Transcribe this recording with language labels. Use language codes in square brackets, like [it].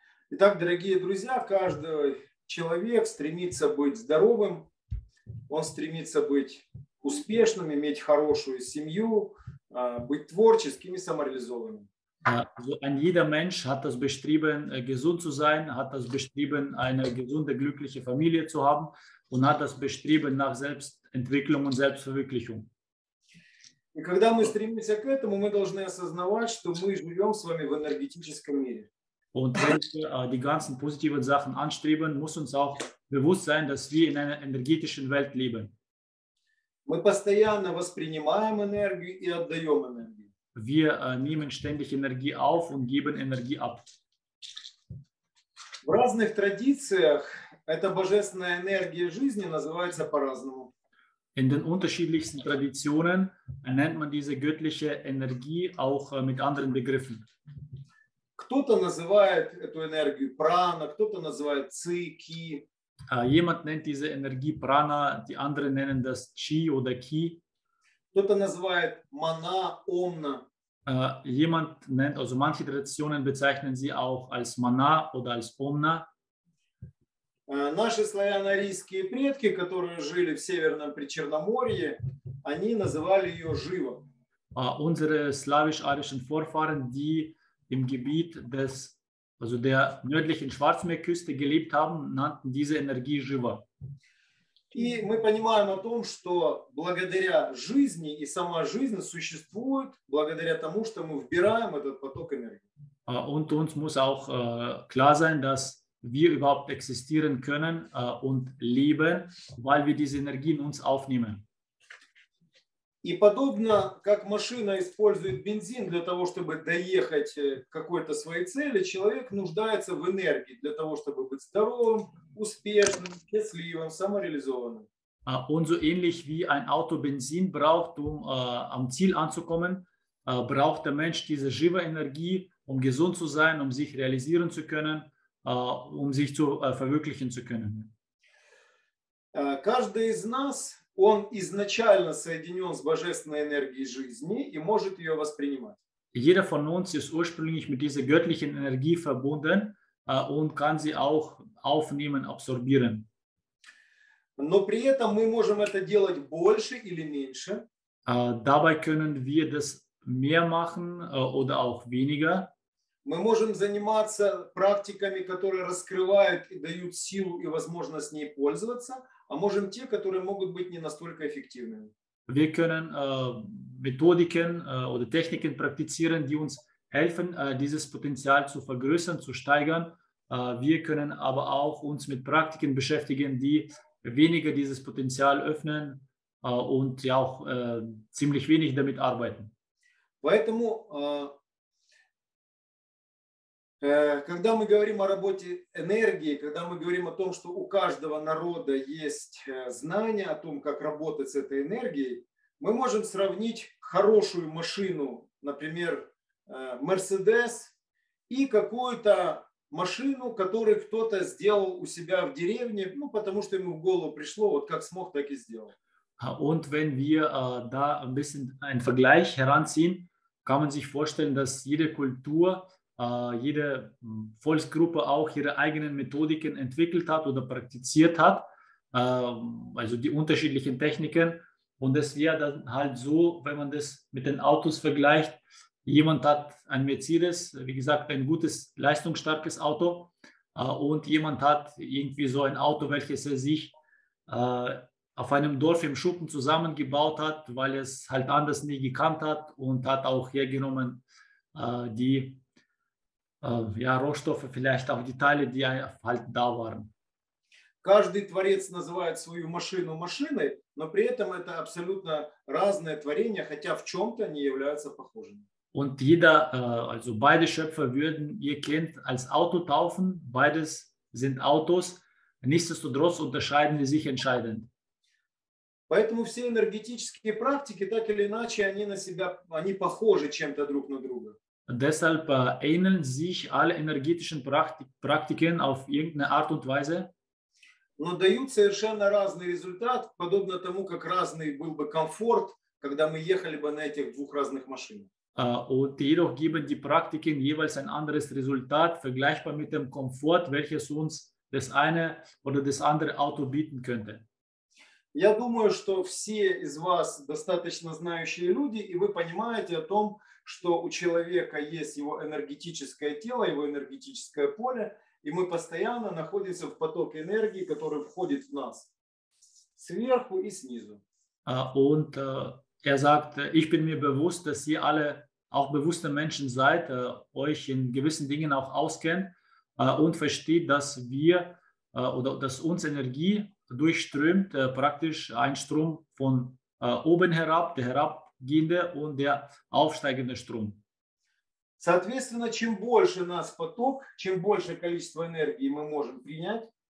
[ru] Итак, дорогие друзья, каждый человек стремится быть здоровым, он стремится быть успешным, иметь хорошую семью, быть творческим и самореализованным. [de] Ein jeder Mensch hat das Bestreben, gesund zu sein, hat das Bestreben, eine gesunde, glückliche Familie zu haben und hat das Bestreben nach Selbstentwicklung und Selbstverwirklichung. [ru] И когда мы стремимся к этому, мы должны осознавать, что мы живем с вами в энергетическом мире. [de] Und wenn wir die ganzen positiven Sachen anstreben, muss uns auch bewusst sein, dass wir in einer energetischen Welt leben. [ru] Мы постоянно воспринимаем энергию и отдаем энергию. [de] Wir nehmen ständig Energie auf und geben Energie ab. [ru] В разных традициях эта божественная энергия жизни называется по-разному. [de] In den unterschiedlichsten Traditionen nennt man diese göttliche Energie auch mit anderen Begriffen. [ru] Кто-то называет эту энергию прана, кто-то называет ци, ки. [de] Jemand nennt diese Energie прана, die anderen nennen das чи oder ки. [ru] Кто-то называет мана, омна. [de] Jemand nennt, also manche Traditionen bezeichnen sie auch als мана oder als омна. [ru] Наши славяно-арийские предки, которые жили в Северном Причерноморье, они называли ее живо. [de] Unsere slawisch-arischen Vorfahren, die im Gebiet des, also der nördlichen Schwarzmeerküste gelebt haben, nannten diese Energie Shiva. [ru] И мы понимаем о том, что благодаря жизни и сама жизнь существует благодаря тому, что мы вбираем этот поток энергии. [de] Und uns muss auch klar sein, dass wir überhaupt existieren können und leben, weil wir diese Energie in uns aufnehmen. [ru] И подобно, как машина использует бензин для того, чтобы доехать к какой-то своей цели, человек нуждается в энергии для того, чтобы быть здоровым, успешным, счастливым, самореализованным. [de] Und so ähnlich wie ein Auto Benzin braucht, um am Ziel anzukommen, braucht der Mensch diese Shiva-Energie, um gesund zu sein, um sich realisieren zu können, um sich zu verwirklichen zu können. [ru] Каждый из нас Он изначально соединен с божественной энергией жизни и может ее воспринимать. [de] Jeder von uns ist ursprünglich mit dieser göttlichen Energie verbunden und kann sie auch aufnehmen, absorbieren. [ru] Но при этом мы можем это делать больше или меньше. [de] Dabei können wir das mehr machen oder auch weniger. [ru] Мы можем заниматься практиками, которые раскрывают и дают силу и возможность с ней пользоваться. А можем те, которые могут быть не настолько эффективными. [de] Wir können Methodiken oder Techniken praktizieren, die uns helfen, dieses Potenzial zu vergrößern, zu steigern. Wir können aber auch uns mit Praktiken beschäftigen, die weniger dieses Potenzial öffnen und ja auch ziemlich wenig damit arbeiten. [ru] Поэтому, когда мы говорим о работе энергии, когда мы говорим о том, что у каждого народа есть знания о том, как работать с этой энергией, мы можем сравнить хорошую машину, например, Mercedes, и какую-то машину, которую кто-то сделал у себя в деревне, ну, потому что ему в голову пришло, вот как смог, так и сделал. [de] Und wenn wir da ein bisschen einen Vergleich heranziehen, kann man sich vorstellen, dass jede Kultur jede Volksgruppe auch ihre eigenen Methodiken entwickelt hat oder praktiziert hat, also die unterschiedlichen Techniken. Und es wäre dann halt so, wenn man das mit den Autos vergleicht, jemand hat ein Mercedes, wie gesagt, ein gutes, leistungsstarkes Auto und jemand hat irgendwie so ein Auto, welches er sich auf einem Dorf im Schuppen zusammengebaut hat, weil er es halt anders nie gekannt hat und hat auch hergenommen die ja, Rohstoffe, vielleicht auch die Teile, die halt da waren. [ru] Каждый творец называет свою машину машиной, но при этом это абсолютно разное творение, хотя в чем-то они являются похожими. [de] Und jeder, also beide Schöpfer würden ihr Kind als Auto taufen, beides sind Autos, nichtsdestotrotz unterscheiden sie sich entscheidend. [ru] Поэтому все энергетические практики, так или иначе, они на себя, они похожи чем-то друг на друга. [de] Deshalb ähneln sich alle energetischen Praktiken auf irgendeine Art und Weise. [ru] Но дают совершенно разный результат, подобно тому, как разный был бы комфорт, когда мы ехали бы на этих двух разных машинах. [de] Und jedoch geben die Praktiken jeweils ein anderes Resultat, vergleichbar mit dem Komfort, welches uns das eine oder das andere Auto bieten könnte. [ru] Я думаю, что все из вас достаточно знающие люди, и вы понимаете о том, что у человека есть его энергетическое тело, его энергетическое поле, и мы постоянно находимся в потоке энергии, который входит в нас, сверху и снизу. [de] Und er sagt, ich bin mir bewusst, dass ihr alle auch bewusste Menschen seid, euch in gewissen Dingen auch auskennt und versteht, dass wir oder dass uns Energie durchströmt, praktisch ein Strom von oben herab, der herabgehende und der aufsteigende Strom. [ru] Соответственно, чем больше нас поток, чем больше количество энергии мы можем принять.